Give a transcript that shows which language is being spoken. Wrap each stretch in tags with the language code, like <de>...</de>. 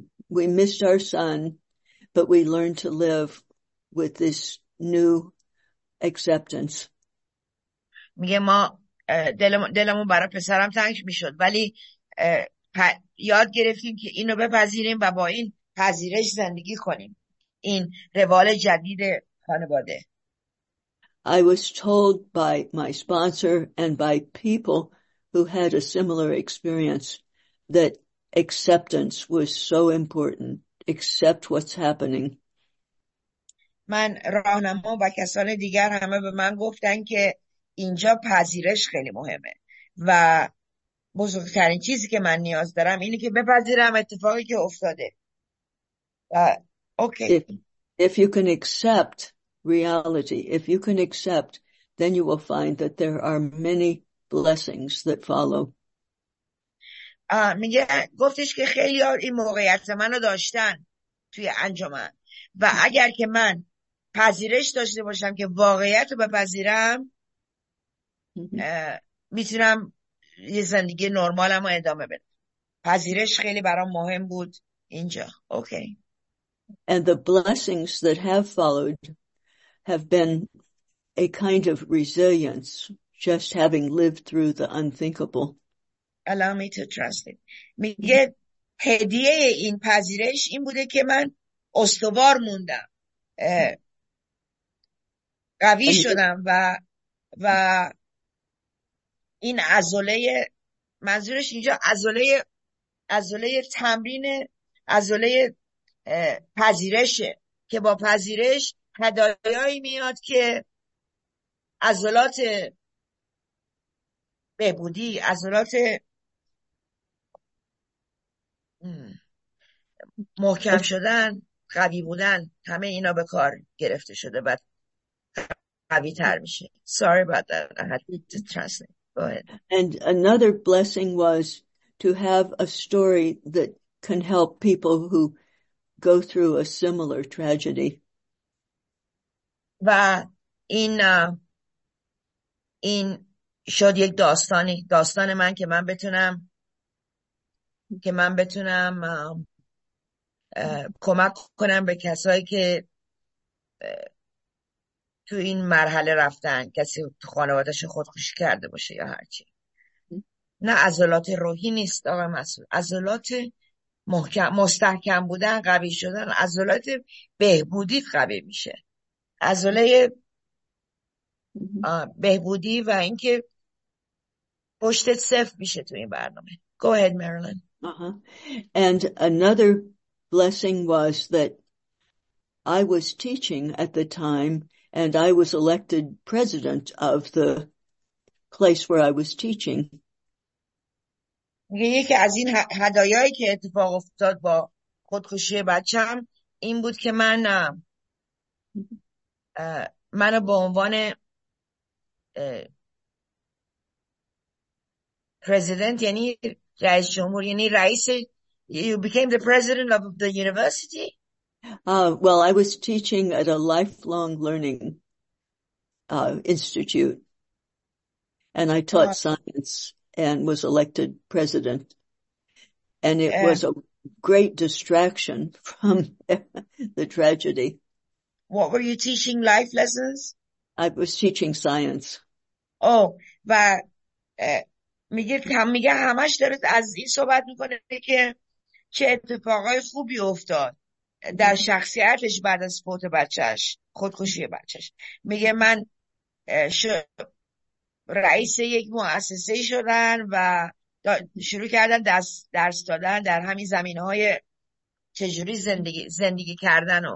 <en>We missed our son, but we learned to live with this new acceptance.</en> <fa>میگه ما دلمون برای پسرم تنگ میشد ولی یاد گرفتیم که اینو بپذیریم و با این پذیرش زندگی کنیم، این روال جدید خانواده.</fa> <en>I was told by my sponsor and by people who had a similar experience that acceptance was so important. Accept what's happening.</en> <fa>من راهنما و کسان دیگر همه به من گفتن که اینجا پذیرش خیلی مهمه و بزرگترین چیزی که من نیاز دارم اینه که بپذیرم اتفاقی که افتاده. اوکی.</fa> <en>If you can accept reality, if you can accept, then you will find that there are many blessings that follow.</en> <fa>میگه گفتش که خیلی ها این موقعیت منو داشتن توی انجمن و اگر که من پذیرش داشته باشم که واقعیت رو بپذیرم میتونم یه زندگی نرمالم رو ادامه بدم. پذیرش خیلی برام مهم بود اینجا. اوکی.</fa> <en>And the blessings that have followed have been a kind of resilience, just having lived through the unthinkable. Allow me to trust it.</en> <fa>میگه هدیه این پذیرش این بوده که من استوار موندم، قوی شدم و این عضله، منظورش اینجا عضله تمرین، عضله پذیرشه که با پذیرش هدایایی میاد که عضلات بهبودی، عضلات محکم شدن، قوی بودن، همه اینا به کار گرفته شده و قوی تر میشه.</fa> <en>Sorry about that. I had to translate. Go ahead. And another blessing was to have a story that can help people who go through a similar tragedy.</en> <fa>و این شد یک داستانی، داستان من که من بتونم کمک کنم به کسایی که تو این مرحله رفتن، کسی تو خانوادش خودکشی کرده باشه یا هرچی. نه عضلات روحی نیست آقا مسئول، عضلات محکم مستحکم بودن، قوی شدن، عضلات بهبودی قوی میشه، عضله بهبودی و اینکه پشتت صفر میشه تو این برنامه.</fa> <en>Go ahead, Marilyn. And another blessing was that I was teaching at the time, and I was elected president of the place where I was teaching.</en> <fa>یکی از این هدایایی که اتفاق افتاد با خودکشی بچه‌ام این بود که منو به عنوان پرزیدنت، یعنی رئیس جمهور، یعنی رئیس،</fa> <en>you became the president of the university. Well, I was teaching at a lifelong learning institute, and I taught science and was elected president. And it was a great distraction from the tragedy. What were you teaching, life lessons? I was teaching science. Oh, but</en> <fa>میگه همش داره از این صحبت میکنه که چه اتفاقای خوبی افتاد در شخصیتش بعد از فوت بچهش، خودکشی بچهش. میگه من رئیس یک مؤسسه شدن و شروع کردن درس دادن در همین زمینهای چجوری زندگی کردن.</fa>